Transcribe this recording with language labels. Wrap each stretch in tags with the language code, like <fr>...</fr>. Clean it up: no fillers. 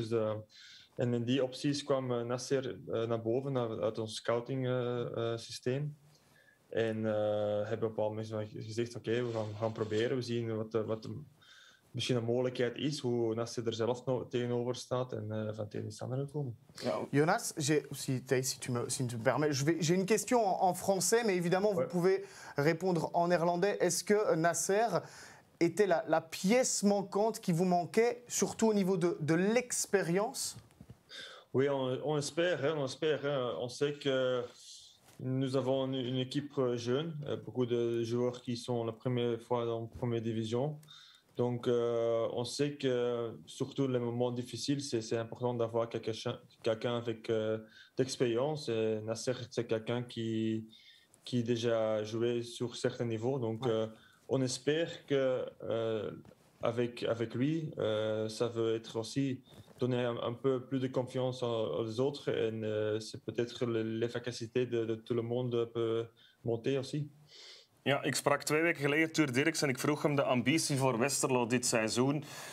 <nl>Dus en in die opties kwam Nasser naar boven uit ons scouting systeem. En hebben op een bepaald moment gezegd, oké, we gaan proberen. We zien wat misschien een mogelijkheid is, hoe Nasser er zelf tegenover staat en van tegen iets anders komen. Ja.</nl> <fr>Jonas, si tu me permets, j'ai une question en français, mais évidemment vous pouvez répondre en néerlandais. Est-ce que Nasser était la pièce manquante qui vous manquait, surtout au niveau de l'expérience? Oui, on espère. On sait que nous avons une équipe jeune, beaucoup de joueurs qui sont la première fois en première division. Donc, on sait que surtout les moments difficiles, c'est important d'avoir quelqu'un avec d'expérience. Nasser, c'est quelqu'un qui déjà joué sur certains niveaux. Donc, on espère qu'avec lui, ça veut être aussi donner un peu plus de confiance aux autres. Et c'est peut-être l'efficacité de tout le monde peut monter aussi.</fr> <nl>Ja, ik sprak twee weken geleden Tuur Dirks en ik vroeg hem de ambitie voor Westerlo dit seizoen.</nl>